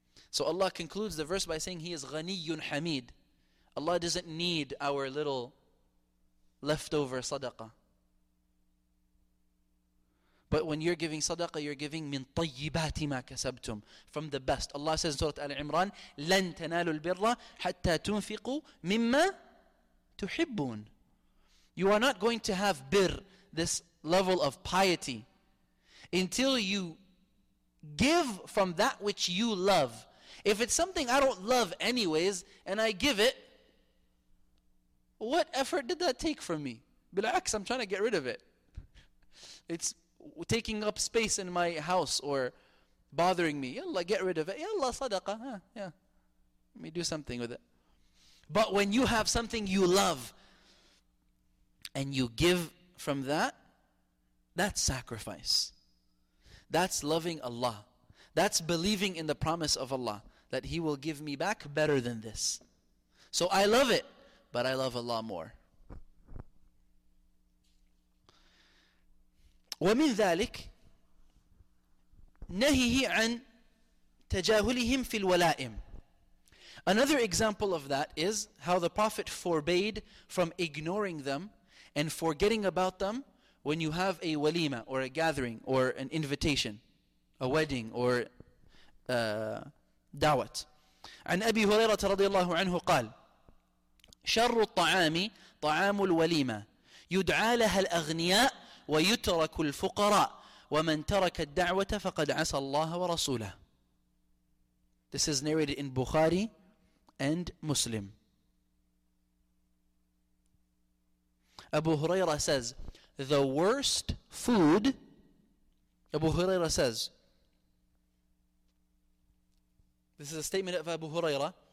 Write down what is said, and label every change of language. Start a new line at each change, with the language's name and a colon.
English: So Allah concludes the verse by saying He is Ghaniyun Hamid. Allah doesn't need our little leftover sadaqah. But when you're giving sadaqah, you're giving min
Arabic: طَيِّبَاتِ مَا كَسَبْتُمْ,
English: from the best. Allah says in Surah Al-Imran,
Arabic: لَن تَنَالُوا الْبِرَّ حَتَّى تُنْفِقُوا مِمَّا تُحِبُّونَ.
English: You are not going to have birr, this level of piety, until you give from that which you love. If it's something I don't love anyways, and I give it, what effort did that take from me? بِالْعَكْسِ, I'm trying to get rid of it. It's taking up space in my house or bothering me. Yalla, get rid of it. Yalla, sadaqah. Huh? Yeah. Let me do something with it. But when you have something you love and you give from that, that's sacrifice. That's loving Allah. That's believing in the promise of Allah that He will give me back better than this. So I love it, but I love Allah more.
Arabic: ومن ذلك نهيه عن تجاهلهم في الولائم.
English: Another example of that is how the Prophet forbade from ignoring them and forgetting about them when you have a walima or a gathering or an invitation, a wedding or dawat.
Arabic: عن أبي هريرة رضي الله عنه قال شر الطعام طعام الوليمة يدعى لها الأغنياء ويترك الفقراء ومن ترك الدعوة فقد عصى الله ورسوله.
English: This is narrated in Bukhari and Muslim. Abu Huraira says, the worst food, Abu Huraira says, this is a statement of Abu Huraira.